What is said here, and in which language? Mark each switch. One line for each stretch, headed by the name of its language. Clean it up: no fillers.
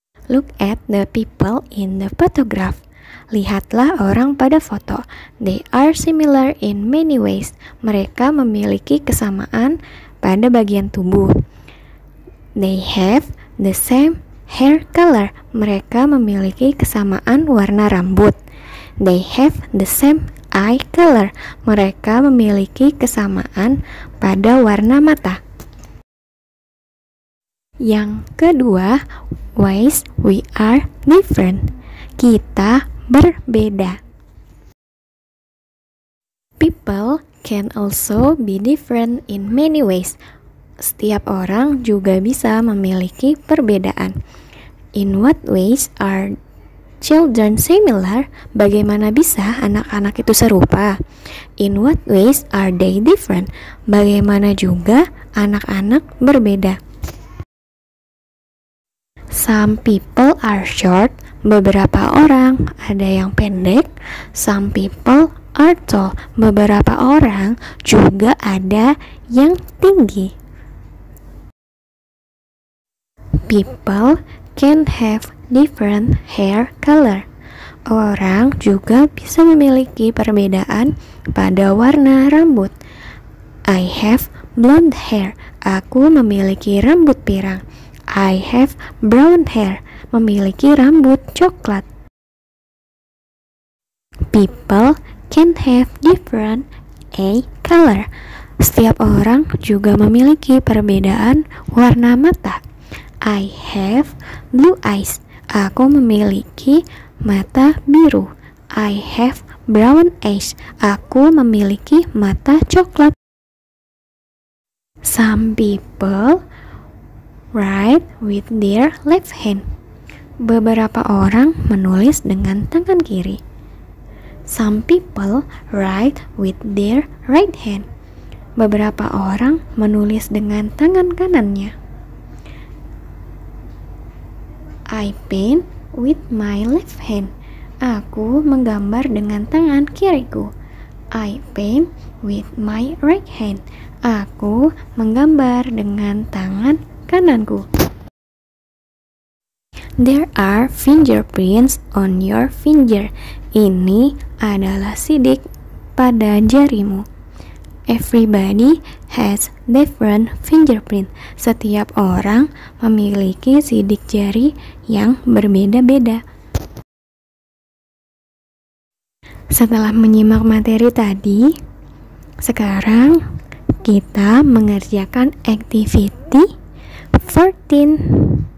English: Look at the people in the photograph.
Indonesian: Lihatlah orang pada foto.
English: They are similar in many ways.
Indonesian: Mereka memiliki kesamaan pada bagian tubuh.
English: They have the same hair color.
Indonesian: Mereka memiliki kesamaan warna rambut.
English: They have the same eye color.
Indonesian: Mereka memiliki kesamaan pada warna mata. Yang kedua,
English: ways we are different.
Indonesian: Kita berbeda.
English: People can also be different in many ways.
Indonesian: Setiap orang juga bisa memiliki perbedaan.
English: In what ways are children similar?
Indonesian: Bagaimana bisa anak-anak itu serupa?
English: In what ways are they different?
Indonesian: Bagaimana juga anak-anak berbeda?
English: Some people are short.
Indonesian: Beberapa orang ada yang pendek.
English: Some people are tall.
Indonesian: Beberapa orang juga ada yang tinggi.
English: People can have different hair color.
Indonesian: Orang juga bisa memiliki perbedaan pada warna rambut.
English: I have blonde hair.
Indonesian: Aku memiliki rambut pirang.
English: I have brown hair.
Indonesian: Memiliki rambut coklat.
English: People can have different eye color.
Indonesian: Setiap orang juga memiliki perbedaan warna mata.
English: I have blue eyes.
Indonesian: Aku memiliki mata biru.
English: I have brown eyes.
Indonesian: Aku memiliki mata coklat.
English: Some people write with their left hand.
Indonesian: Beberapa orang menulis dengan tangan kiri.
English: Some people write with their right hand.
Indonesian: Beberapa orang menulis dengan tangan kanannya.
English: I paint with my left hand.
Indonesian: Aku menggambar dengan tangan kiriku.
English: I paint with my right hand.
Indonesian: Aku menggambar dengan tangan kananku.
English: There are fingerprints on your finger.
Indonesian: Ini adalah sidik pada jarimu.
English: Everybody has different fingerprint.
Indonesian: Setiap orang memiliki sidik jari yang berbeda-beda. Setelah menyimak materi tadi, sekarang kita mengerjakan
English: activity 14.